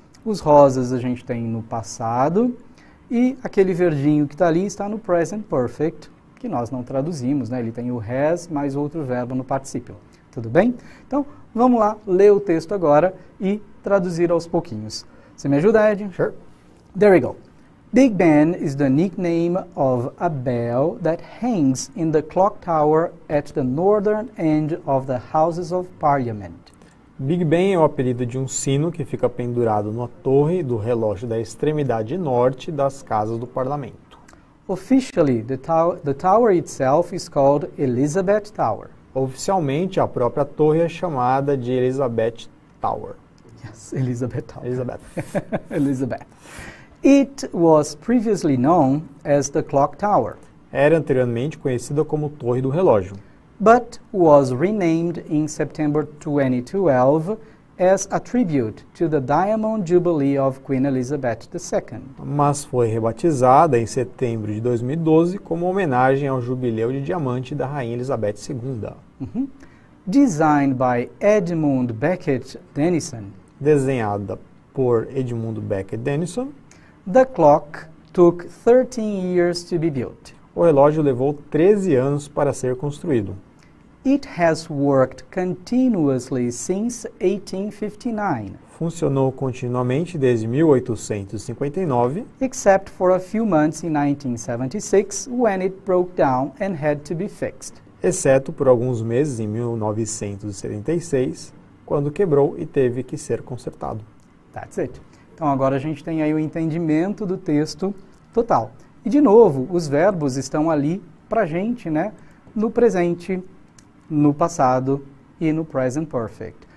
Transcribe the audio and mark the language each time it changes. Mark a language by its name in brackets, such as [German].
[Portuguese] Os rosas a gente tem no passado e aquele verdinho que está ali está no present perfect, que nós não traduzimos, né? Ele tem o has mais outro verbo no participle. Tudo bem? Então, vamos lá ler o texto agora e traduzir aos pouquinhos. Você me ajuda, Ed? [English] Sure. There we go. Big Ben is the nickname of a bell that hangs in the clock tower at the northern end of the Houses of Parliament. [Portuguese] Big Ben é o apelido de um sino que fica pendurado na torre do relógio da extremidade norte das casas do parlamento. [English] Officially, the tower itself is called Elizabeth Tower. [Portuguese] Oficialmente, a própria torre é chamada de Elizabeth Tower. [English] Yes, Elizabeth Tower. Elizabeth. Elizabeth. It was previously known as the Clock Tower. [Portuguese] Era anteriormente conhecida como Torre do Relógio. [English] But was renamed in September 2012 as a tribute to the Diamond Jubilee of Queen Elizabeth II. [Portuguese] Mas foi rebatizada em setembro de 2012 como homenagem ao Jubileu de Diamante da Rainha Elizabeth II. [English] Uh-huh. Designed by Edmund Beckett Denison. [Portuguese] Desenhada por Edmund Beckett Denison. [English] The clock took 13 years to be built. [Portuguese] O relógio levou 13 anos para ser construído. [English] It has worked continuously since 1859. [Portuguese] Funcionou continuamente desde 1859. [English] Except for a few months in 1976, when it broke down and had to be fixed. [Portuguese] Exceto por alguns meses em 1976, quando quebrou e teve que ser consertado. [English] That's it. [Portuguese] Então agora a gente tem aí o entendimento do texto total. E de novo, os verbos estão ali pra gente, né? No presente, no passado e no present perfect.